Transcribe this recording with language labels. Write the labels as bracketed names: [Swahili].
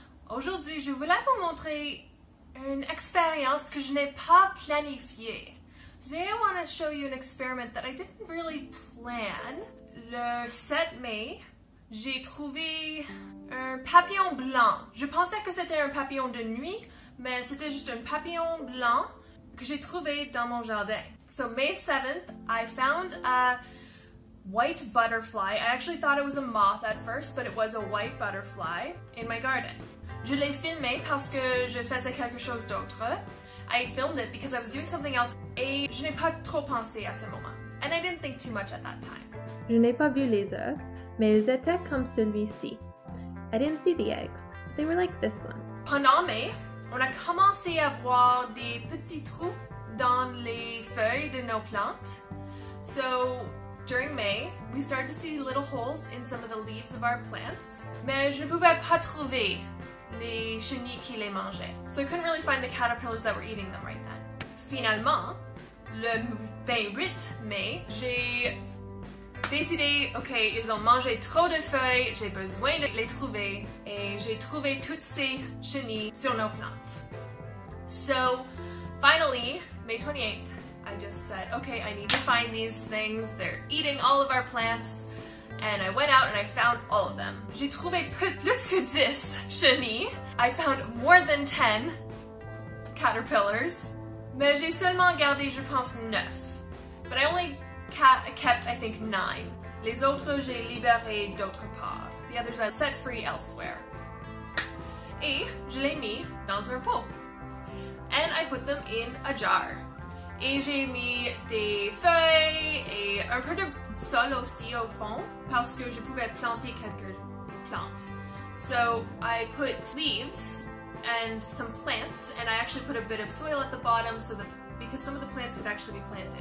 [French] Aujourd'hui, je voulais vous montrer une expérience que je n'ai pas planifiée. [English] Today I want to show you an experiment that I didn't really plan. [French] Le 7 mai, j'ai trouvé un papillon blanc. Je pensais que c'était un papillon de nuit, mais c'était juste un papillon blanc que j'ai trouvé dans mon jardin. [English] So May 7th, I found a white butterfly. I actually thought it was a moth at first, but it was a white butterfly in my garden. [French] Je l'ai filmé parce que je faisais quelque chose d'autre. [English] I filmed it because I was doing something else [French] et je n'ai pas trop pensé à ce moment. [English] And I didn't think too much at that time. [French] Je n'ai pas vu les œufs, mais ils étaient comme celui-ci. [English] I didn't see the eggs. They were like this one. [French] Pendant mai, on a commencé à voir des petits trous dans les feuilles de nos plantes. [English] So, during May, we started to see little holes in some of the leaves of our plants. [French] Mais je ne pouvais pas trouver les chenilles qui les mangeaient. [English] So I couldn't really find the caterpillars that were eating them right then. [French] Finalement, le 28 mai, j'ai décidé, ok, ils ont mangé trop de feuilles, j'ai besoin de les trouver, et j'ai trouvé toutes ces chenilles sur nos plantes. [English] So, finally, May 28th, I just said, okay, I need to find these things. They're eating all of our plants. And I went out and I found all of them. [French] J'ai trouvé plus que 10 chenilles. [English] I found more than 10 caterpillars. [French] Mais j'ai seulement gardé, je pense, 9. [English] But I only kept, I think, 9. [French] Les autres, j'ai libéré d'autre part. [English] The others I set free elsewhere. [French] Et je les mis dans un pot. [English] And I put them in a jar. [French] Et j'ai mis des feuilles et un peu de sol aussi au fond parce que je pouvais planter quelques plantes. [English] So I put leaves and some plants and I actually put a bit of soil at the bottom so that because some of the plants could actually be planted.